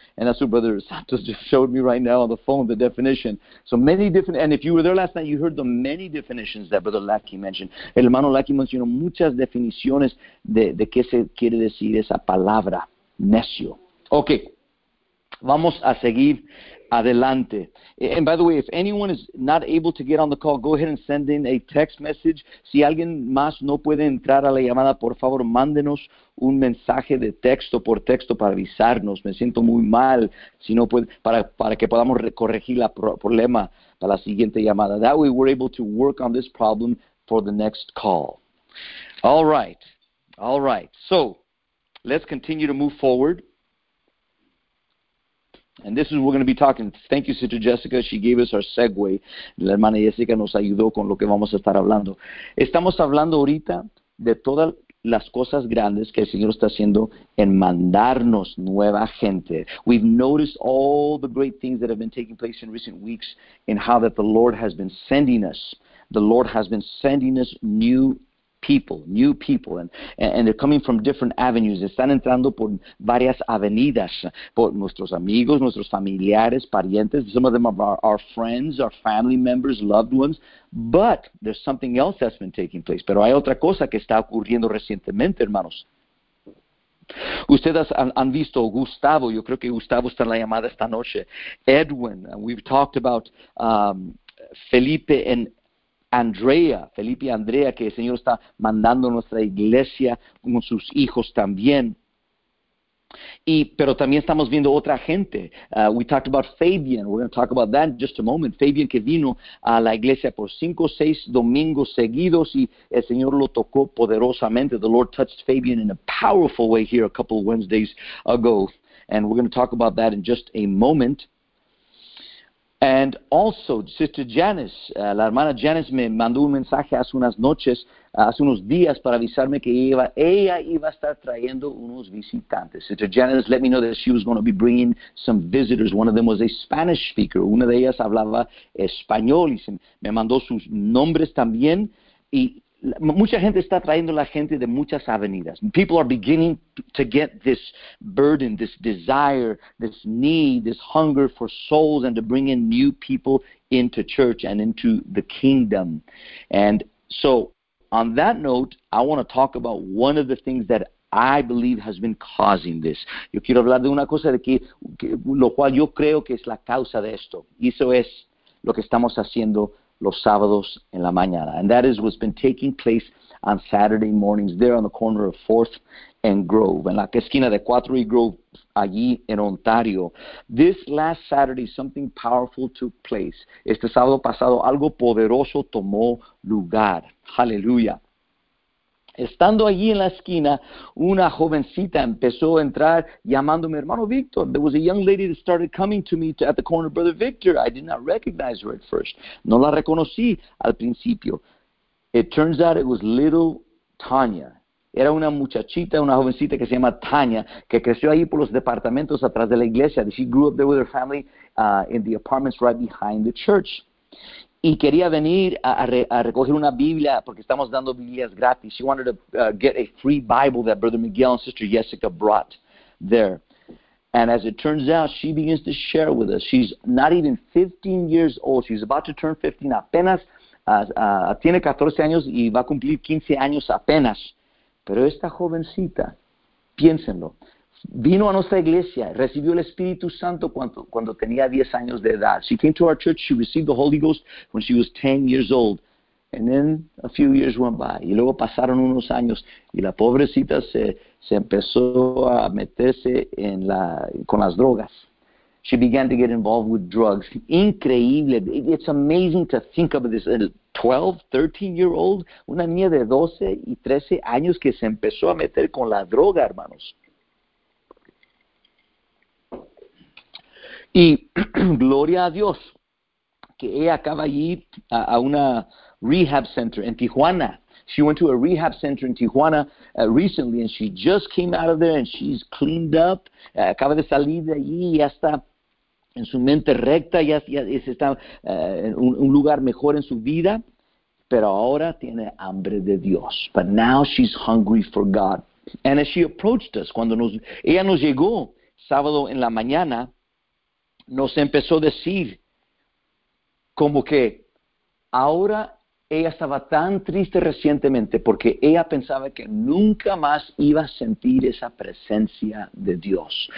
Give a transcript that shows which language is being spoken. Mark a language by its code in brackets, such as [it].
[en] And that's what Brother Santos just showed me right now on the phone, the definition. So many different, and if you were there last night, you heard the many definitions that Brother Lackey mentioned. [es] El hermano Lackey mencionó muchas definiciones de qué se quiere decir esa palabra, necio. Okay, vamos a seguir adelante. [en] And by the way, if anyone is not able to get on the call, go ahead and send in a text message. [es] Si alguien más no puede entrar a la llamada, por favor, mándenos un mensaje de texto por texto para avisarnos. Me siento muy mal si no puede, para que podamos corregir el problema para la siguiente llamada. [en] That way we're able to work on this problem for the next call. All right. So, let's continue to move forward. And this is what we're going to be talking. Thank you, Sister Jessica. She gave us our segue. [es] La hermana Jessica nos ayudó con lo que vamos a estar hablando. Estamos hablando ahorita de todas las cosas grandes que el Señor está haciendo en mandarnos nueva gente. [en] We've noticed all the great things that have been taking place in recent weeks and how that the Lord has been sending us. The Lord has been sending us new people, and they're coming from different avenues. [es] Están entrando por varias avenidas, por nuestros amigos, nuestros familiares, parientes. [en] Some of them are our friends, our family members, loved ones. But there's something else that's been taking place. [es] Pero hay otra cosa que está ocurriendo recientemente, hermanos. Ustedes han visto Gustavo. Yo creo que Gustavo está en la llamada esta noche. Edwin. [en] We've talked about Felipe and Andrea, [es] Felipe y Andrea, que el Señor está mandando a nuestra iglesia con sus hijos también. Pero también estamos viendo otra gente. [en] We talked about Fabian. We're going to talk about that in just a moment. [es] Fabian que vino a la iglesia por 5 [en] or [es] 6 domingos seguidos y el Señor lo tocó poderosamente. [en] The Lord touched Fabian in a powerful way here a couple of Wednesdays ago. And we're going to talk about that in just a moment. And also, Sister Janice, [es] la hermana Janice me mandó un mensaje hace unos días para avisarme que ella iba a estar trayendo unos visitantes. [en] Sister Janice let me know that she was going to be bringing some visitors. One of them was a Spanish speaker. [es] Una de ellas hablaba español y me mandó sus nombres también. Y mucha gente está trayendo la gente de muchas avenidas. [en] People are beginning to get this burden, this desire, this need, this hunger for souls and to bring in new people into church and into the kingdom. And so on that note, I want to talk about one of the things that I believe has been causing this. [es] Yo quiero hablar de una cosa de que lo cual yo creo que es la causa de esto. Y eso es lo que estamos haciendo los sábados en la mañana. [en] And that is what's been taking place on Saturday mornings there on the corner of 4th and Grove, [es] en la esquina de 4 y Grove, allí en Ontario. [en] This last Saturday, something powerful took place. [es] Este sábado pasado, algo poderoso tomó lugar. [en] Hallelujah. [es] Estando allí en la esquina, una jovencita empezó a entrar llamándome, hermano Victor. [en] There was a young lady that started coming to me at the corner, Brother Victor. I did not recognize her at first. [es] No la reconocí al principio. [en] It turns out it was little Tanya. [es] Era una muchachita, una jovencita que se llama Tanya, que creció ahí por los departamentos atrás de la iglesia. [en] She grew up there with her family in the apartments right behind the church. [es] Y quería venir a recoger una Biblia, porque estamos dando Biblias gratis. [en] She wanted to get a free Bible that Brother Miguel and Sister Jessica brought there. And as it turns out, she begins to share with us. She's not even 15 years old. She's about to turn 15. [es] Apenas tiene 14 años y va a cumplir 15 años apenas. Pero esta jovencita, piénsenlo, vino a nuestra iglesia, recibió el Espíritu Santo cuando tenía 10 años de edad. [en] She came to our church, she received the Holy Ghost when she was 10 years old. And then a few years went by. [es] Y luego pasaron unos años y la pobrecita se empezó a meterse con las drogas. [en] She began to get involved with drugs. [es] Increíble. [en] It's amazing to think of this. A 12, 13-year-old, [es] una niña de 12 y 13 años que se empezó a meter con la droga, hermanos. Y gloria a Dios que ella acaba allí a una rehab center en Tijuana. [en] She went to a rehab center in Tijuana recently and she just came out of there and she's cleaned up. [es] Acaba de salir de allí y ya está en su mente recta, ya está en un lugar mejor en su vida, pero ahora tiene hambre de Dios. [en] But now she's hungry for God. And as she approached us, [es] cuando ella nos llegó sábado en la mañana, nos empezó a decir como que ahora ella estaba tan triste recientemente porque ella pensaba que nunca más iba a sentir esa presencia de Dios.